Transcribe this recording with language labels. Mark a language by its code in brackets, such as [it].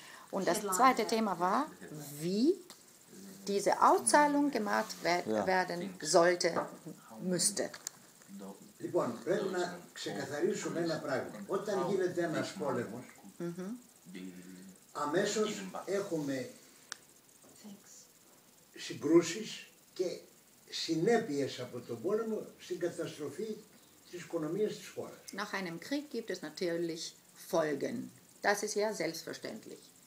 [de] Und das zweite Thema war, wie diese Auszahlung gemacht werden sollte, müsste. [el] Λοιπόν, πρέπει να ξεκαθαρίσουμε ένα πράγμα. Όταν γίνεται ένας πόλεμος, αμέσως έχουμε συγκρούσεις και συνέπειες από τον πόλεμο στην καταστροφή της οικονομίας της χώρας. [de] Nach einem Krieg gibt es natürlich Folgen. Das ist ja selbstverständlich.